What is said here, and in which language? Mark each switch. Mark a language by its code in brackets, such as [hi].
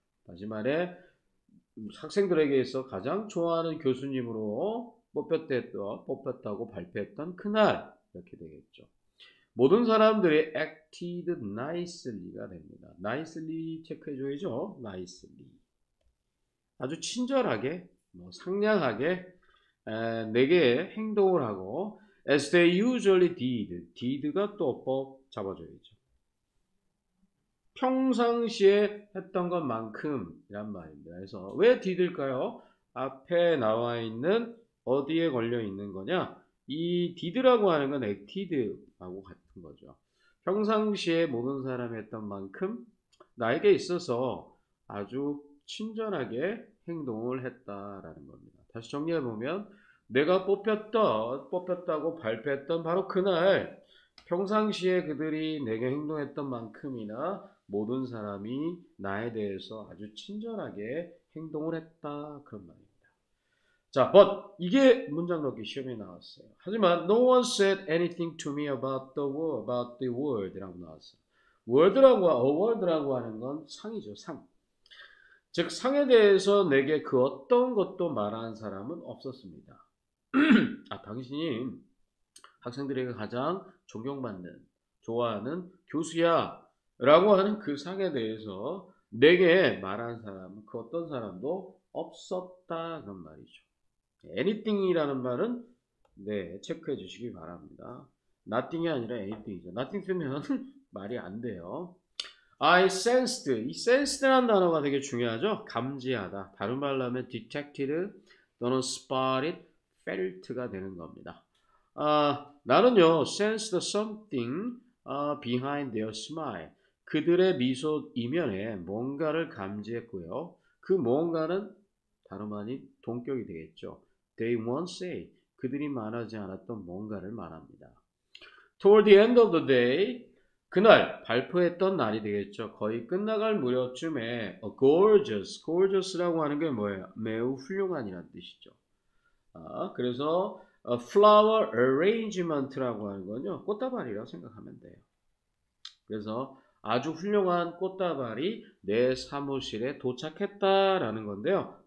[ko] 다시 말해, 학생들에게서 가장 좋아하는 교수님으로 뽑혔다고 발표했던 그날 이렇게 되겠죠. 모든 사람들이 [en] acted nicely가 [ko] 됩니다. nicely 체크해줘야죠. [en] nicely. [ko] 아주 친절하게, 뭐 상냥하게. 내게 행동을 하고, [en] as they usually did. [ko] did가 또 어법 잡아줘야죠. 평상시에 했던 것만큼이란 말입니다. 그래서, 왜 did일까요? 앞에 나와 있는 어디에 걸려 있는 거냐? 이 did라고 하는 건 acted하고 같은 거죠. 평상시에 모든 사람이 했던 만큼, 나에게 있어서 아주 친절하게 행동을 했다라는 겁니다. 다시 정리해보면, 내가 뽑혔다고 발표했던 바로 그날, 평상시에 그들이 내게 행동했던 만큼이나 모든 사람이 나에 대해서 아주 친절하게 행동을 했다. 그런 말입니다. 자, [en] but [ko] 이게 문장 넣기 시험에 나왔어요. 하지만 [en] no one said anything to me about the world이라고 [ko] 나왔어요. world라고 하는 건 상이죠, 상. 즉, 상에 대해서 내게 그 어떤 것도 말한 사람은 없었습니다. 아, 당신이 학생들에게 가장 존경받는, 좋아하는 교수야. 라고 하는 그 상에 대해서 내게 말한 사람은 그 어떤 사람도 없었다. 그런 말이죠. anything이라는 말은 네, 체크해 주시기 바랍니다. nothing이 아니라 anything이죠. nothing 쓰면 말이 안 돼요. [en] I sensed. [ko] 이 sensed라는 단어가 되게 중요하죠. 감지하다. 다른 말로 하면 detected 또는 spotted, felt가 되는 겁니다. 나는요, [en] sensed something behind their smile. [ko] 그들의 미소 이면에 뭔가를 감지했고요. 그 뭔가는 다름 아닌 동격이 되겠죠. [en] They won't say. [ko] 그들이 말하지 않았던 뭔가를 말합니다. [en] Toward the end of the day, [ko] 그날 발표했던 날이 되겠죠. 거의 끝나갈 무렵쯤에 [en] a gorgeous, [ko] gorgeous라고 하는 게 뭐예요? 매우 훌륭한이라는 뜻이죠. 아, 그래서 [en] a flower arrangement라고 [ko] 하는 건요, 꽃다발이라고 생각하면 돼요. 그래서 아주 훌륭한 꽃다발이 내 사무실에 도착했다라는 건데요.